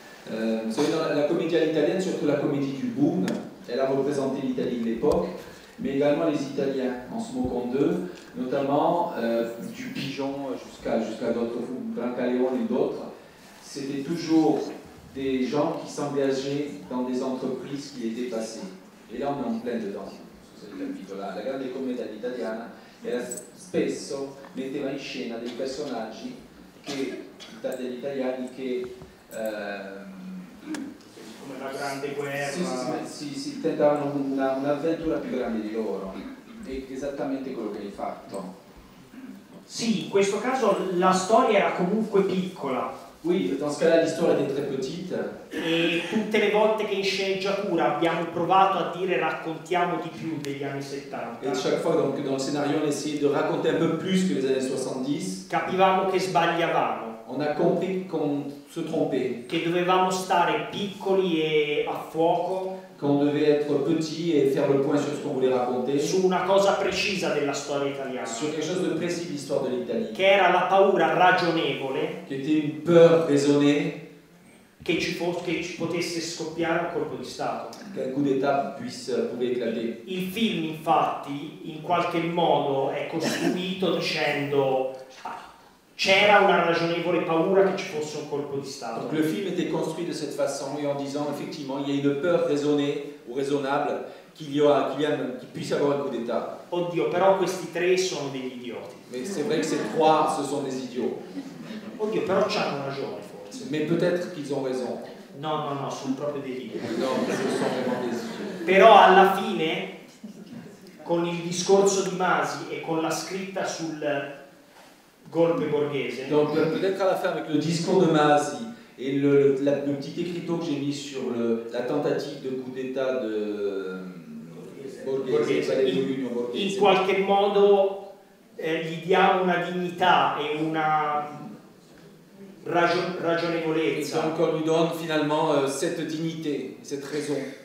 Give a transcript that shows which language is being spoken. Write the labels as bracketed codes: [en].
[fr] Vous savez, dans la comédie à l'italienne, surtout la comédie du boom, elle a représenté l'Italie de l'époque, mais également les Italiens en se moquant d'eux, notamment du Pigeon jusqu'à d'autres, Brancaleone et d'autres. C'était toujours des gens qui s'engageaient dans des entreprises qui étaient passées. Et là, on est en plein dedans. La grande comédie à l'italienne, elle a [it] spesso metteva in scena dei personaggi che degli italiani che come la grande guerra si tentavano un'avventura più grande di loro, è esattamente quello che hai fatto. Sì, in questo caso la storia era comunque piccola. [fr] Oui, dans ce cas-là, l'histoire était très petite. [it] E tutte le volte che in sceneggiatura abbiamo provato a dire raccontiamo di più degli anni 70. [fr] Et chaque fois, donc, dans le scénario, on essayait de raconter un peu plus que les années 70. [it] Capivamo che sbagliavamo. [fr] On a compris qu'on se trompait. [it] Che dovevamo stare piccoli e a fuoco. [fr] Qu'on devait être petit et faire le point sur ce qu'on voulait raconter. [it] Su una cosa precisa della storia italiana. [fr] Sur quelque chose de précis de l'histoire de l'Italie. [it] Che era la paura ragionevole. [fr] Qui était une peur raisonnée. [it] che ci potesse scoppiare un colpo di Stato. [fr] Che un coup d'état pouvait éclater. [it] Il film, infatti, in qualche modo è costruito dicendo c'era una ragionevole paura che ci fosse un colpo di Stato. [fr] Donc, le film était construit de cette façon et en disant effectivement il y a une peur raisonnée ou raisonnable qu'il puisse avoir un coup d'état. [it] Oddio, però questi tre sono degli idioti. [fr] Mais c'est vrai que ces trois ce sont des idiots. [it] Oddio, però c'hanno ragione forse. [fr] Mais peut-être qu'ils ont raison. [it] No, sono proprio dei idioti. [fr] Non, sono vraiment des idiots. [it] Però alla fine, con il discorso di Masi e con la scritta sul golpe borghese. [fr] Donc peut-être à la fin avec le discours de Masi et le petit écriteau que j'ai mis sur la tentative de coup d'état de Borghese. [it] In qualche modo gli diamo una dignità e una ragionevolezza. [fr] Donc on lui donne finalement cette dignité, cette raison.